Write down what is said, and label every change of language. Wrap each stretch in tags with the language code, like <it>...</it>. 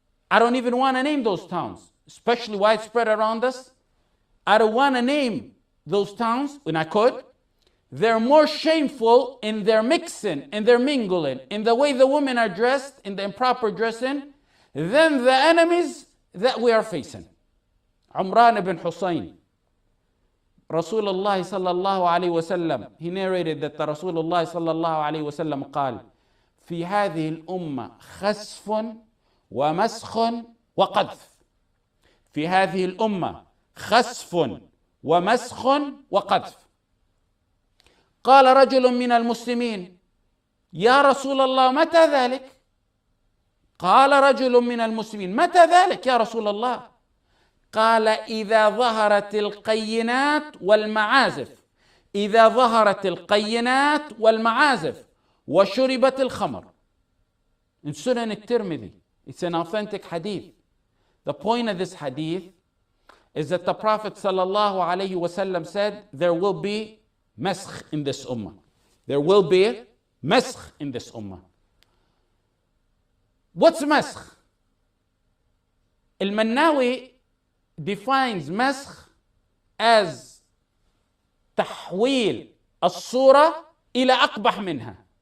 <en>I don't even want to name those towns, especially widespread around us. I don't want to name those towns, when I could. They're more shameful in their mixing, in their mingling, in the way the women are dressed, in the improper dressing, than the enemies that we are facing. Umran ibn Husayn, Rasulullah sallallahu alayhi wa sallam, he narrated that the Rasulullah sallallahu alayhi wa sallam</en> <ar>qal, fi hadhihi al-umma khasfun, ومسخ وقذف</ar> <en>في هذه الأمة خسف ومسخ وقذف</en> <ar>قال رجل من المسلمين يا رسول الله متى ذلك قال رجل من المسلمين متى ذلك يا رسول الله قال إذا ظهرت القينات والمعازف إذا ظهرت القينات والمعازف وشربت الخمر من سنن الترمذي</ar> <en>It's an authentic hadith. The point of this hadith is that the Prophet sallallahu alayhi wasallam said, there will be maskh in this ummah. There will be maskh in this ummah. What's maskh? Al-Mannawi defines maskh as</en> <ar>tahwil as-surah ila aqbah minha.</ar>